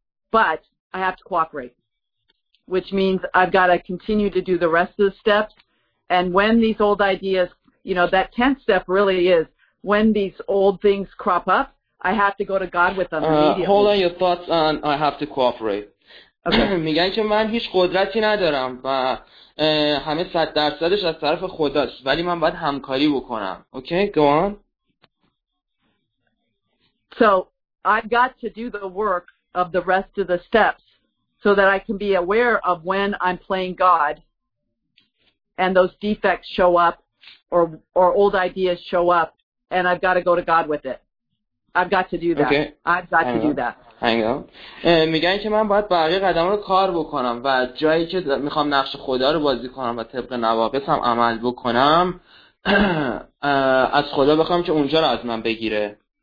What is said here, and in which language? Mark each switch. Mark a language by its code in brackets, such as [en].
[en] But I have to cooperate, which means I've got to continue to do the rest of the steps. And when these old ideas, you know, that 10th step really is, when these old things crop up, I have to go to God with them immediately. Hold on your thoughts on I have to cooperate. Okay. [fa] میگن که من هیچ قدرتی ندارم و همه 100%ش از طرف خداست، ولی من باید همکاری بکنم. [en] Okay, go on. So, I've got to do the work of the rest of the steps so that I can be aware of when I'm playing God and those defects show up, or old ideas show up, and I've got to go to God with it. I've got to do that. Okay. I've got Hang on. Do that. Hang on. [fa] میگن که من باید بقیه قدم رو کار بکنم و جایی که میخوام نقش خدا رو بازی کنم و طبق نواقص هم عمل بکنم از خدا بخوام که اونجا رو از من بگیره.